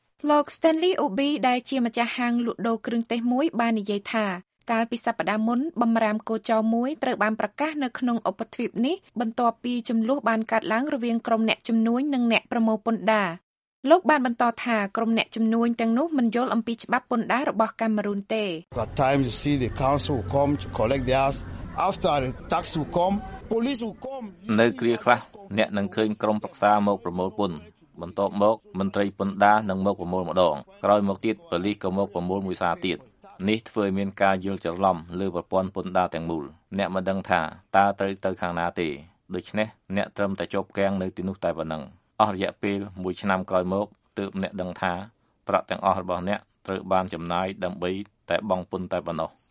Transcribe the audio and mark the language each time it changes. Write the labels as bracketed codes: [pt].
[km] លោក Stanley Obi ដែលជាម្ចាស់ហាងលក់ដូរគ្រឿងទេសមួយបាននិយាយថាកាលពីសប្តាហ៍មុនបំរាមកោចោមួយត្រូវបានប្រកាសនៅក្នុងឧបទ្វីបនេះបន្ទាប់ពីចំនួនបានកើតឡើងរវាងក្រុមអ្នកជំនួយនិងអ្នកប្រមូលពន្ធដារលោកបានបន្តថាក្រុមអ្នកជំនួយទាំងនោះមិនយល់អំពីច្បាប់ពន្ធដាររបស់កាមេរូនទេ [en] What time you see the council will come to collect theirs after tax will come police will come [km] នៅគ្រាខ្លះអ្នកនឹងឃើញក្រុមប្រឹក្សាមកប្រមូលពន្ធបន្ទាប់មកមន្ត្រីពន្ធដារនឹងមកប្រមូលម្ដងក្រោយមកទៀតប៉ូលីសក៏មកប្រមូលមួយសារទៀត នេះធ្វើឲ្យមានការយល់ច្រឡំលើប្រព័ន្ធពន្ធដារទាំងមូលអ្នកមិនដឹងថាតើត្រូវទៅខាងណាទេដូច្នេះអ្នកត្រឹមតែជាប់គាំងនៅទីនោះតែប៉ុណ្ណឹងអស់រយៈពេល1ឆ្នាំក្រោយមកទើបអ្នកដឹងថាប្រាក់ទាំងអស់របស់អ្នកត្រូវបានចំណាយដើម្បីតែបង់ពន្ធតែប៉ុណ្ណោះ